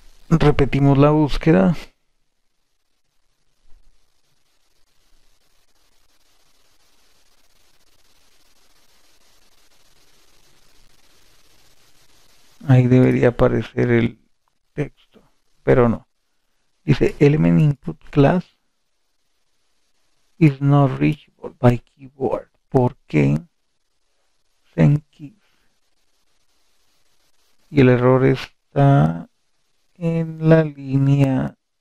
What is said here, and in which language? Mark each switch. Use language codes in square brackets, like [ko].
[es] Repetimos la búsqueda. Ahí debería aparecer el texto, pero no. [en] Dice, element input class is not reachable by keyboard. [es] ¿Por qué? Send keys. Y el error está en la línea.